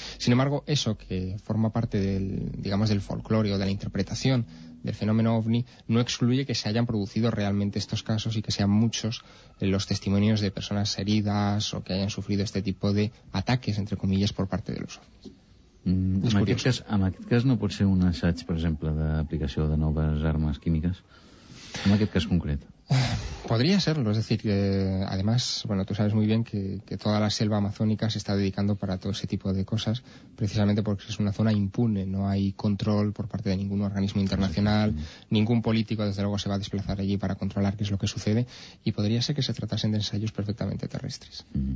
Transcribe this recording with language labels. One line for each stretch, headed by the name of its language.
Spanish: Sin embargo, eso que forma parte del, digamos, del folclore o de la interpretación del fenómeno ovni no excluye que se hayan producido realmente estos casos y que sean muchos los testimonios de personas heridas o que hayan sufrido este tipo de ataques, entre comillas, por parte de los ovnis.
Catalan: En aquest cas no pot ser un assaig, per exemple, d'aplicació de noves armes químiques? En aquest cas concret?
Spanish: Podría serlo, es decir, además, bueno, tú sabes muy bien que toda la selva amazónica se está dedicando para todo ese tipo de cosas, precisamente porque es una zona impune, no hay control por parte de ningún organismo internacional, ningún político desde luego se va a desplazar allí para controlar qué es lo que sucede, y podría ser que se tratasen de ensayos perfectamente terrestres.